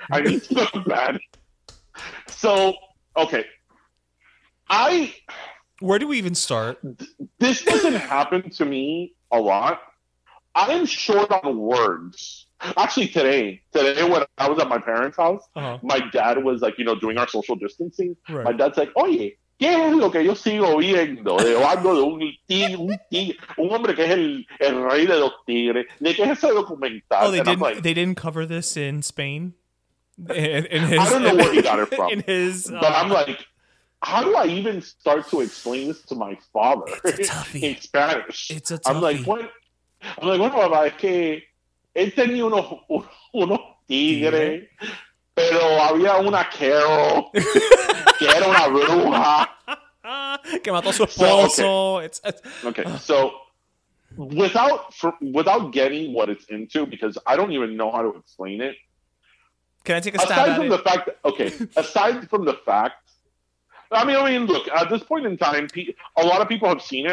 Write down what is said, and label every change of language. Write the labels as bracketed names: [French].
[English] I need to go to bed. So, okay. Where do we even start? This doesn't happen to me a lot. I am short on words. Actually, today when I was at my parents' house, my dad was, like, you know, doing our social distancing. Right. My dad's like, [Spanish] oye, ¿qué es lo que yo sigo viendo? De algo de un hombre que es el rey de los tigres. ¿De qué es ese documental? [English] Oh, they didn't cover this in Spain? In his, I don't know where he got it from. In his, but I'm like, how do I even start to explain this to my father in Spanish? It's a toughie. I'm like, [Spanish] bueno, papá, es que he tenido unos tigres. [English] Yeah. [Spanish] Pero había una Carol, que era una bruja. Que mató su esposo. [English] So, okay. So without getting what it's into, because I don't even know how to explain it. Can I take a aside stab at from it? The fact that, okay, aside from the fact, I mean, look, at this point in time, a lot of people have seen it.